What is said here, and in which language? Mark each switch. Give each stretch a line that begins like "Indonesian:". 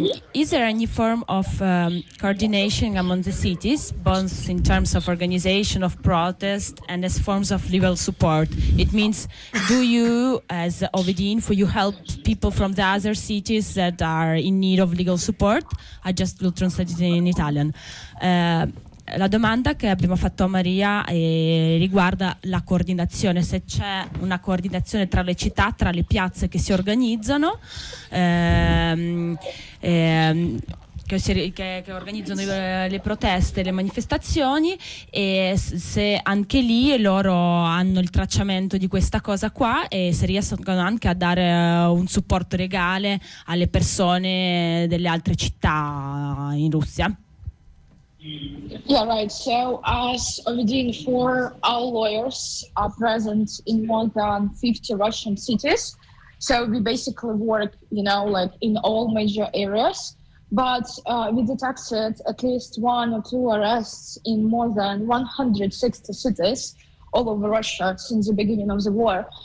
English: Is there any form of coordination among the cities, both in terms of organization of protest and as forms of legal support? It means, do you, as OVD Info, you help people from the other cities that are in need of legal support? I just will translate it in Italian.
Italian: La domanda che abbiamo fatto a Maria riguarda la coordinazione, se c'è una coordinazione tra le città, tra le piazze che si organizzano, che organizzano le proteste, le manifestazioni, e se anche lì loro hanno il tracciamento di questa cosa qua, e se riescono anche a dare un supporto legale alle persone delle altre città in Russia.
English: Yeah, right. So as OVD Info, our lawyers are present in more than 50 Russian cities. So we basically work, you know, like in all major areas. But we detected at least one or two arrests in more than 160 cities all over Russia since the beginning of the war.